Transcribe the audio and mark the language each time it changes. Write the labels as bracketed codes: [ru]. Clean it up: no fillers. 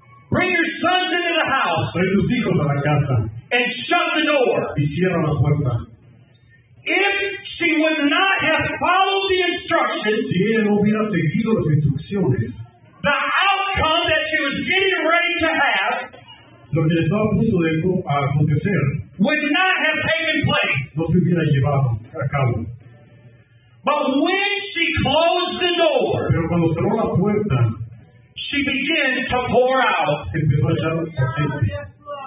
[en] bring your sons into the house. [es] Trae tus hijos a la casa. [en] And shut the door. [es] Y cierra la puerta. [en] If she would not have followed the instructions, [es] si ella no hubiera seguido las instrucciones, [en] the outcome that she was getting ready to have, [es] lo que estaba a punto de acontecer, [en] would not have taken place. [es] No se hubiera llevado a cabo. [en] But when she closed the door, [es] pero cuando cerró la puerta, [en] she began to pour out. [es] Empezó a echar los aceites.